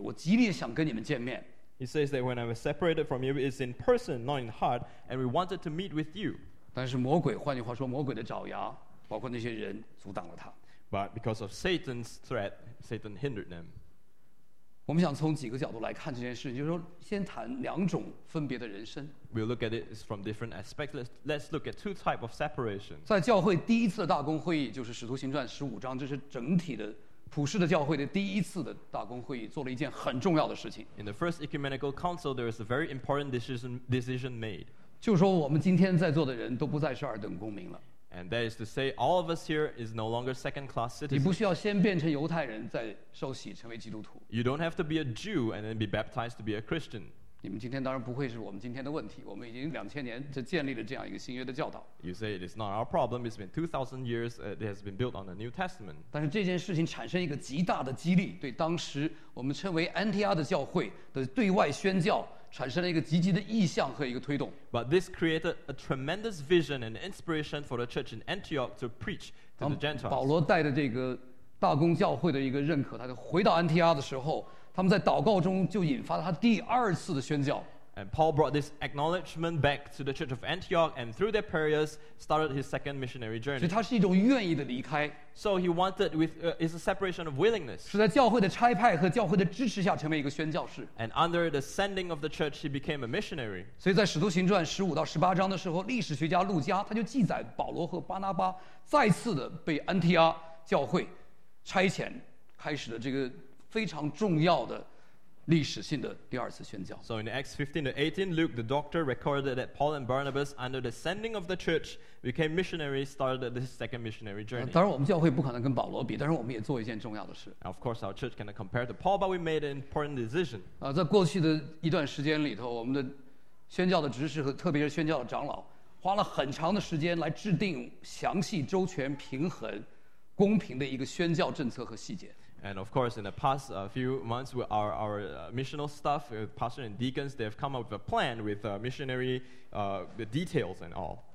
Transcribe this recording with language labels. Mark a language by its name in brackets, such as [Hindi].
[Chinese] 我极力想跟你们见面。 [English] He says that when I was separated from you, it's in person, not in heart, and we wanted to meet with you. [Chinese] 但是魔鬼，换句话说，魔鬼的爪牙，包括那些人，阻挡了他。 [English] But because of Satan's threat, Satan hindered them. [Chinese] 我们想从几个角度来看这件事，就是说，先谈两种分别的人生。 [English] We'll look at it from different aspects. Let's look at two types of separation. [Chinese] 在教会第一次大公会议，就是《使徒行传》十五章，这是整体的普世的教会的第一次的大公会议，做了一件很重要的事情。 [English] In the first ecumenical council, there is a very important decision made. [Chinese] 就说我们今天在座的人都不再是二等公民了。 [English] And that is to say, all of us here is no longer second-class citizens. [Chinese] 你不需要先变成犹太人，再受洗成为基督徒。 [English] You don't have to be a Jew and then be baptized to be a Christian. [Chinese] 你们今天当然不会是我们今天的问题。我们已经两千年就建立了这样一个新约的教导。 [English] You say it is not our problem. It's been 2,000 years. It has been built on the New Testament. [Chinese] 但是这件事情产生一个极大的激励，对当时我们称为安提阿的教会的对外宣教。产生了一个积极的意向和一个推动。 [English] But this created a tremendous vision and inspiration for the church in Antioch to preach to the Gentiles. [Chinese] 保罗带着这个大公教会的一个认可，他就回到安提阿的时候，他们在祷告中就引发了他第二次的宣教。 [English] And Paul brought this acknowledgement back to the church of Antioch, and through their prayers, started his second missionary journey. [Chinese] 所以他是一种愿意的离开。 [English] So he wanted with is a separation of willingness. [Chinese] 是在教会的差派和教会的支持下成为一个宣教士。 [English] And under the sending of the church, he became a missionary. [Chinese] 所以在《使徒行传》十五到十八章的时候，历史学家路加他就记载保罗和巴拿巴再次的被安提阿教会差遣，开始了这个非常重要的历史性的第二次宣教。 [English] So in Acts 15-18, Luke the doctor recorded that Paul and Barnabas, under the sending of the church, became missionaries, started this second missionary journey. [Chinese] 当然我们教会不可能跟保罗比，但是我们也做一件重要的事。 [English] Of course, our church cannot compare to Paul, but we made an important decision. [Chinese] 在过去的一段时间里头，我们的宣教的执事和特别是宣教的长老，花了很长的时间来制定详细、周全、平衡、公平的一个宣教政策和细节。 [English] And of course, in the past few months, our missional staff, pastors and deacons, they have come up with a plan with missionary the details and all.